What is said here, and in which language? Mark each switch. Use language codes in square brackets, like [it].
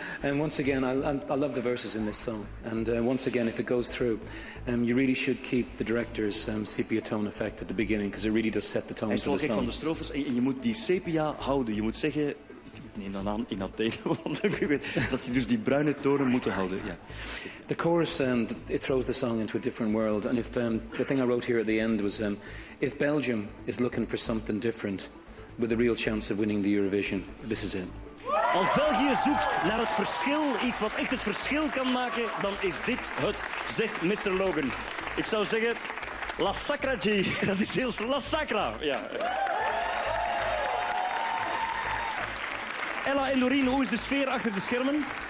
[en] And once again, I love the verses in this song. And once again, if it goes through, you really should keep the director's sepia tone effect at the beginning, because it really does set the tone for the song. [nl] Hij is wel gek van de strofes en je moet die sepia houden. Je moet zeggen, neem dan aan in Athene, want ik weet dat die dus die bruine tonen moeten houden. Ja. [en] The chorus, it throws the song into a different world. And if the thing I wrote here at the end was... If Belgium is looking for something different, with a real chance of winning the Eurovision, this is it. [nl] Als België zoekt naar het verschil, iets wat echt het verschil kan maken, dan is dit het, zegt Mr. Logan. Ik zou zeggen, La Sacra G. Dat is heel La Sacra. Ja. Ella en Doreen, hoe is de sfeer achter de schermen?